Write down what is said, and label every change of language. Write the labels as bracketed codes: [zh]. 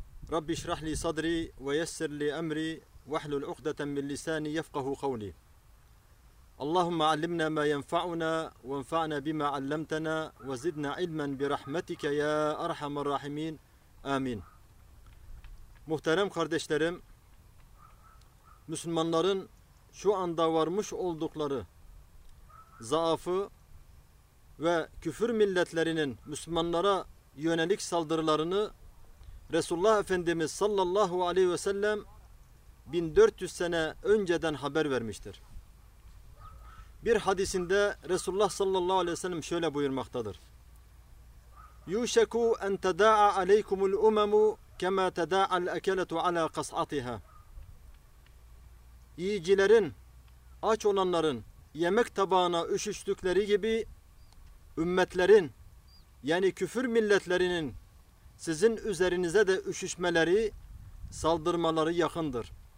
[ar] رب اشرح لي صدري ويسر لي أمري واحلل عقدة من لساني يفقه قولي. اللهم علمنا ما ينفعنا وانفعنا بما علمتنا وزدنا علما برحمتك يا أرحم الراحمين، آمين. [tr] Muhterem kardeşlerim, Müslümanların şu anda varmış oldukları zaafı ve küfür milletlerinin Müslümanlara yönelik saldırılarını Resulullah Efendimiz sallallahu aleyhi ve sellem 1400 sene önceden haber vermiştir. Bir hadisinde Resulullah sallallahu aleyhi ve sellem şöyle buyurmaktadır: [ar] يُوشَكُوا اَنْ تَدَاعَ عَلَيْكُمُ الْاُمَمُ كَمَا تَدَاعَ الْاَكَلَةُ عَلَى قَصْعَتِهَا. [tr] Yiyicilerin, aç olanların yemek tabağına üşüştükleri gibi ümmetlerin, yani küfür milletlerinin sizin üzerinize de üşüşmeleri, saldırmaları yakındır.